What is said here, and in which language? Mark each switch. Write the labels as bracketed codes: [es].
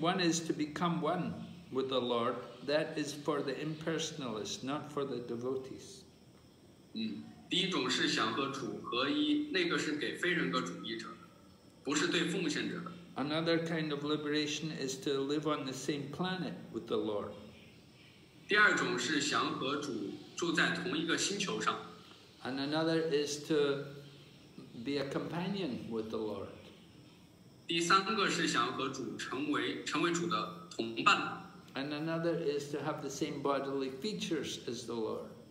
[en] One is to become one with the Lord. That is for the impersonalists, not for the devotees. [zh] 第一种是想和主合一，那个是给非人格主义者的，不是对奉献者的。 [en] Another kind of liberation is to live on the same planet with the Lord. [zh] 第二种是想和主住在同一个星球上。 [en] And another is to be a companion with the Lord. [zh] 第三个是想和主成为主的同伴。 [en] And another is to have the same bodily features as the Lord.